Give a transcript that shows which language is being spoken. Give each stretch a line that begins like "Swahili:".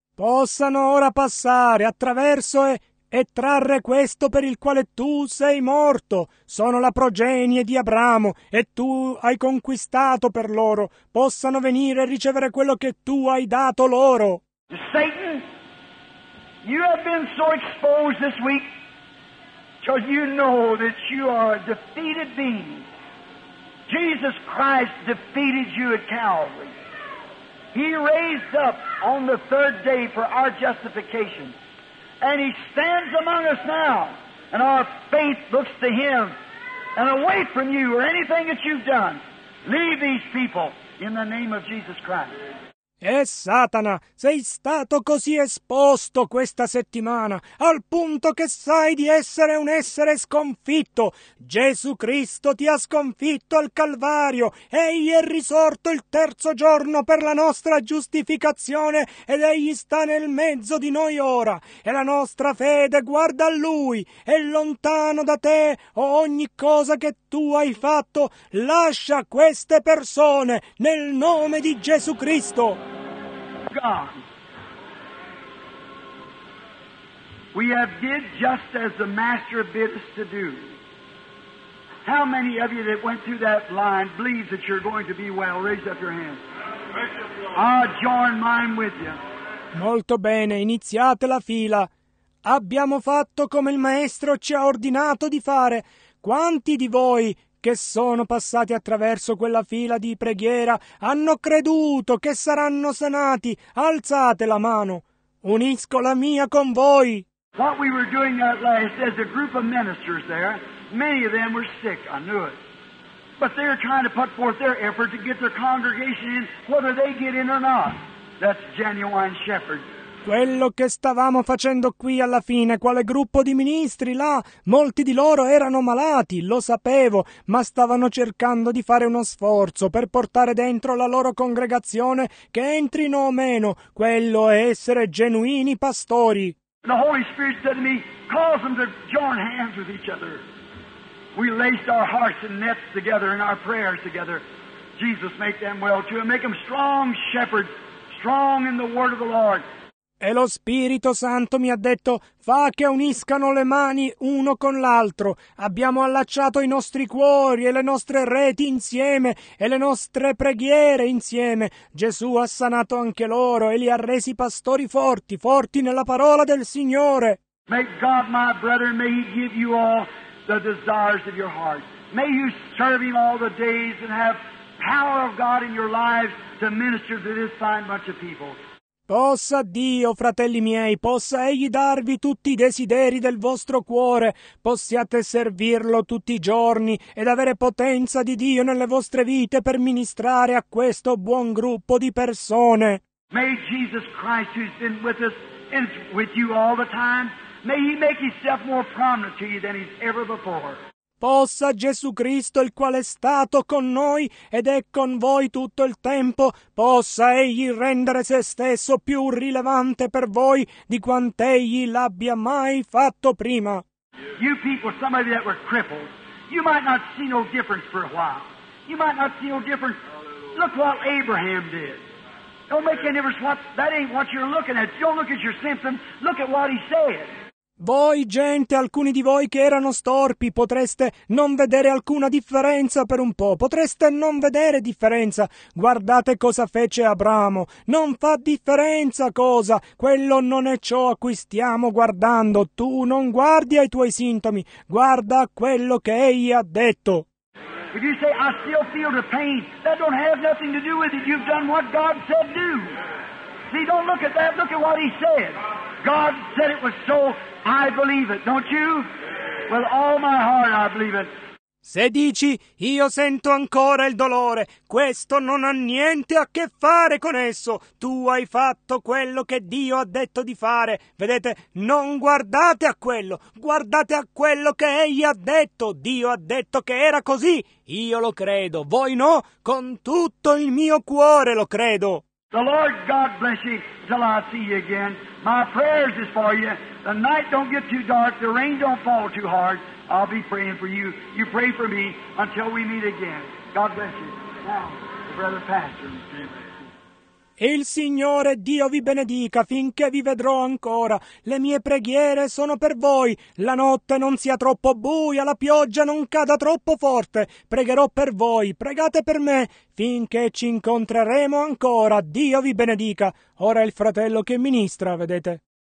Italian: Possano ora passare attraverso e trarre questo per il quale tu sei morto. Sono la progenie di Abramo e tu hai conquistato per loro. Possano venire e ricevere quello che tu hai dato loro.
English: Satan, you have been so exposed this week because you know that you are a defeated being. Jesus Christ defeated you at Calvary. He raised up on the third day for our justification. And he stands among us now. And our faith looks to him. And away from you or anything that you've done, leave these people in the name of Jesus Christ.
Italian: E Satana, sei stato così esposto questa settimana, al punto che sai di essere un essere sconfitto. Gesù Cristo ti ha sconfitto al Calvario. Egli è risorto il terzo giorno per la nostra giustificazione ed Egli sta nel mezzo di noi ora. E la nostra fede guarda a Lui. È lontano da te o ogni cosa che tu hai fatto. Lascia queste persone nel nome di Gesù Cristo.
English: God, we have did just as the Master bid us to do. How many of you that went through that line believe that you're going to be well? Raise up your hand. I'll join mine with you.
Italian: Molto bene, iniziate la fila. Abbiamo fatto come il Maestro ci ha ordinato di fare. Quanti di voi che sono passati attraverso quella fila di preghiera, hanno creduto che saranno sanati? Alzate la mano. Unisco la mia con voi.
English: What we were doing that last, there's a group of ministers there. Many of them were sick, I knew it. But they're trying to put forth their effort to get their congregation in, whether they get in or not. That's genuine shepherd.
Italian: Quello che stavamo facendo qui alla fine, quale gruppo di ministri là, molti di loro erano malati, lo sapevo, ma stavano cercando di fare uno sforzo per portare dentro la loro congregazione che entrino o meno, quello è essere genuini pastori.
English: The Holy Spirit said to me, cause them to join hands with each other. We laced our hearts and nets together in our prayers together. Jesus, make them well too, and make them strong shepherds, strong in the word of the Lord.
Italian: E lo Spirito Santo mi ha detto: fa che uniscano le mani uno con l'altro. Abbiamo allacciato i nostri cuori e le nostre reti insieme e le nostre preghiere insieme. Gesù ha sanato anche loro e li ha resi pastori forti, forti nella parola del Signore.
English: May God, my brother, may He give you all the desires of your heart. May you serve Him all the days and have power of God in your lives to minister to this fine bunch of people.
Italian: Possa Dio, fratelli miei, possa Egli darvi tutti i desideri del vostro cuore, possiate servirlo tutti i giorni ed avere potenza di Dio nelle vostre vite per ministrare a questo buon gruppo di persone.
English: May Jesus Christ, who's been with us, is with you all the time, may He make Himself more prominent to you than He's ever before.
Italian: Possa Gesù Cristo, il quale è stato con noi ed è con voi tutto il tempo, possa Egli rendere se stesso più rilevante per voi di quant'Egli l'abbia mai fatto prima.
English: You people, some of you that were crippled, you might not see no difference for a while. You might not see no difference. Look what Abraham did. Don't make any difference. That ain't what you're looking at. Don't look at your symptoms. Look at what he said.
Italian: Voi, gente, alcuni di voi che erano storpi, potreste non vedere alcuna differenza per un po', potreste non vedere differenza. Guardate cosa fece Abramo, non fa differenza cosa, quello non è ciò a cui stiamo guardando. Tu non guardi ai tuoi sintomi, guarda a quello che egli ha detto.
English: If you say, I still feel the pain, that don't have nothing to do with it, you've done what God said do. See, don't look at that, look at what he said. God said it was so, I believe it, don't you? With all my heart I believe it.
Italian: Se dici, io sento ancora il dolore, questo non ha niente a che fare con esso. Tu hai fatto quello che Dio ha detto di fare. Vedete, non guardate a quello, guardate a quello che Egli ha detto. Dio ha detto che era così, io lo credo. Voi no, con tutto il mio cuore lo credo.
English: The Lord God bless you till I see you again. My prayers is for you. The night don't get too dark. The rain don't fall too hard. I'll be praying for you. You pray for me until we meet again. God bless you. Now, the brother pastor. Amen.
Italian: Il Signore Dio vi benedica finché vi vedrò ancora. Le mie preghiere sono per voi. La notte non sia troppo buia, la pioggia non cada troppo forte. Pregherò per voi, pregate per me, finché ci incontreremo ancora. Dio vi benedica. Ora è il fratello che ministra, vedete.